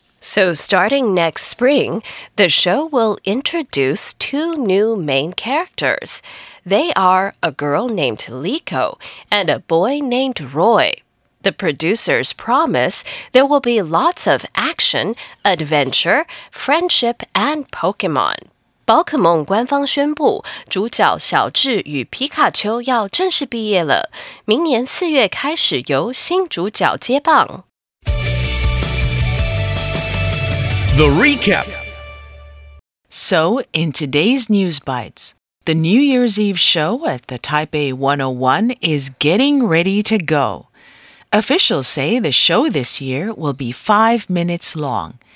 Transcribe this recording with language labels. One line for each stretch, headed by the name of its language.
English: So starting next spring, the show will introduce two new main characters. They are a girl named Liko and a boy named Roy. The producers promise there will be lots of action, adventure, friendship, and Pokemon.
Chinese: 宝可梦官方宣布，主角小智与皮卡丘要正式毕业了，明年四月开始由新主角接棒。
English: The recap. So, in today's news bites, the New Year's Eve show at the Taipei 101 is getting ready to go. Officials say the show this year will be 5 minutes long.